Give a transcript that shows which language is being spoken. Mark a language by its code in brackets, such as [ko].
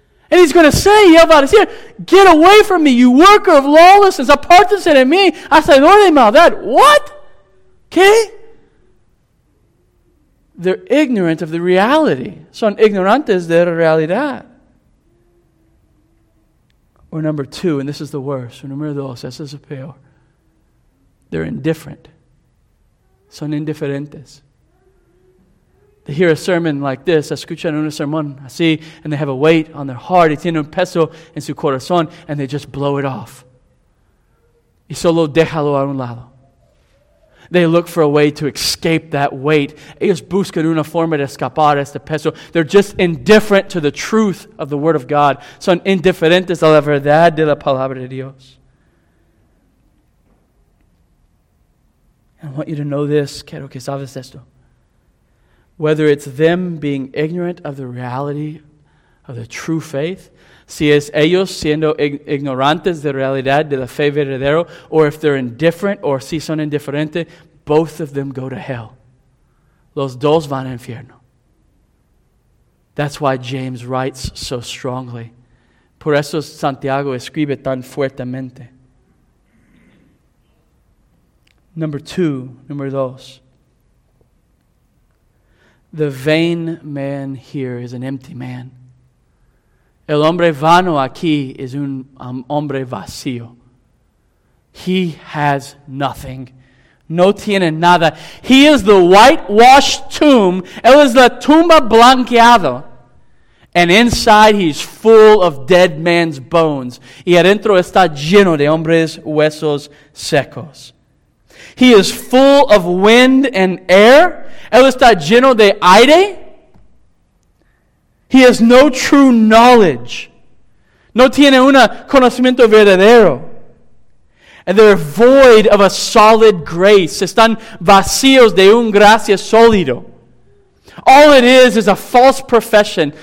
[en] And he's going to say, [es] y él va a decir, [en] get away from me, you worker of lawlessness. [es] Apartense de mí. Hacedor de maldad. [en] What? [es] ¿Qué? [en] They're ignorant of the reality. [es] Son ignorantes de la realidad. [en] Or number 2, and this is the worst. Or number 2, [es] eso es peor. [en] They're indifferent. [es] Son indiferentes. [en] They hear a sermon like this, [es] escuchan un sermón así, [en] and they have a weight on their heart, [es] y tienen un peso en su corazón, [en] and they just blow it off. [es] Y solo déjalo a un lado. [en] They look for a way to escape that weight. [es] Ellos buscan una forma de escapar este peso. [en] They're just indifferent to the truth of the Word of God. [es] Son indiferentes a la verdad de la Palabra de Dios. [en] I want you to know this. [es] Quiero que sabes esto. [en] Whether it's them being ignorant of the reality of the true faith, [es] si es ellos siendo ignorantes de realidad de la fe verdadero, [en] or if they're indifferent, or [es] si son indiferentes, [en] both of them go to hell. [es] Los dos van al infierno. [en] That's why James writes so strongly. [es] Por eso Santiago escribe tan fuertemente. [en] Number dos. The vain man here is an empty man. [es] El hombre vano aquí es un hombre vacío. [en] He has nothing. [es] No tiene nada. [en] He is the whitewashed tomb. [es] Él es la tumba blanqueada. [en] And inside he's full of dead man's bones. [es] Y adentro está lleno de hombres huesos secos. [en] He is full of wind and air. [es] Él está lleno de aire. [en] He has no true knowledge. [es] No tiene un conocimiento verdadero. [en] And they're void of a solid grace. [es] Están vacíos de un gracia sólido. [en] All it is a false profession.